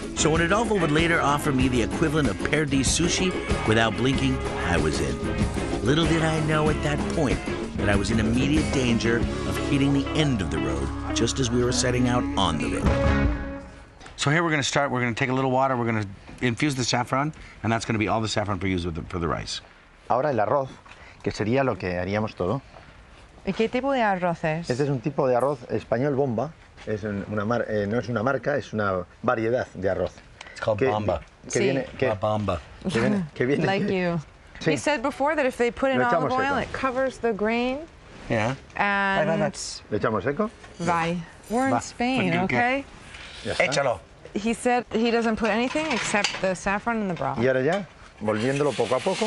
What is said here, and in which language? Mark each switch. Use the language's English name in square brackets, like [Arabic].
[English] So when Adolfo would later offer me the equivalent of perdiz sushi, without blinking, I was in. Little did I know at that point that I was in immediate danger of hitting the end of the road just as we were setting out on the road. So here we're gonna start, we're gonna take a little water, we're gonna infuse the saffron, and that's gonna be all the saffron we use for the rice. [Spanish] Ahora el arroz, que sería lo que haríamos todo. ¿Y qué tipo de arroz es? Este es un tipo de arroz español bomba. Es una no es una marca, es una variedad de arroz. [English] It's called que, bomba. [Spanish] Que sí. Viene, que, la bomba. Que viene, [English] like you. [Spanish] Sí. [English] He said before that if they put in olive oil, it covers the grain. Yeah. And [Spanish] le echamos seco. [English] Vai. We're in Spain, okay? [Spanish] Échalo. [English] He said he doesn't put anything except the saffron and the broth. [Spanish] Y ahora ya, volviéndolo poco a poco.